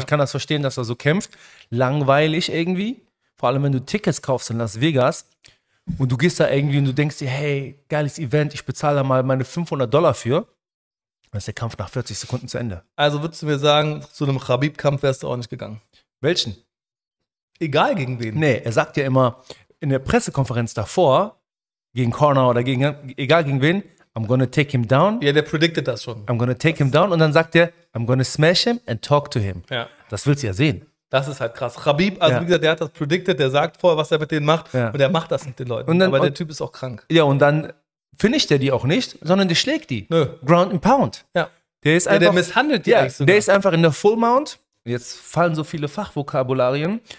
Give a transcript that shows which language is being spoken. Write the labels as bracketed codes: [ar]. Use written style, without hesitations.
[de] Ja. Ich kann das verstehen, dass er so kämpft. Langweilig irgendwie. Vor allem, wenn du Tickets kaufst in Las Vegas und du gehst da irgendwie und du denkst dir, hey, geiles Event, ich bezahle da mal meine $500 für. Dann ist der Kampf nach 40 Sekunden zu Ende. Also würdest du mir sagen, zu einem Khabib-Kampf wärst du auch nicht gegangen? Welchen? Egal gegen wen. Nee, er sagt ja immer in der Pressekonferenz davor, gegen Conor oder gegen egal gegen wen, [en] I'm gonna take him down. [de] Ja, der predicted das schon. [en] I'm gonna take him down. [de] Und dann sagt er, [en] I'm gonna smash him and talk to him. [de] Ja. Das willst du ja sehen. Das ist halt krass. Khabib, also ja. Wie gesagt, der hat das predicted, der sagt vorher, was er mit denen macht. Ja. Und er macht das mit den Leuten. Dann, aber der Typ ist auch krank. Ja, und dann finisht er die auch nicht, sondern der schlägt die. Nö. Ground and pound. Ja. Der ist einfach, der misshandelt die eigentlich sogar. Der ist einfach in der Full Mount. Jetzt fallen so viele Fachvokabularien.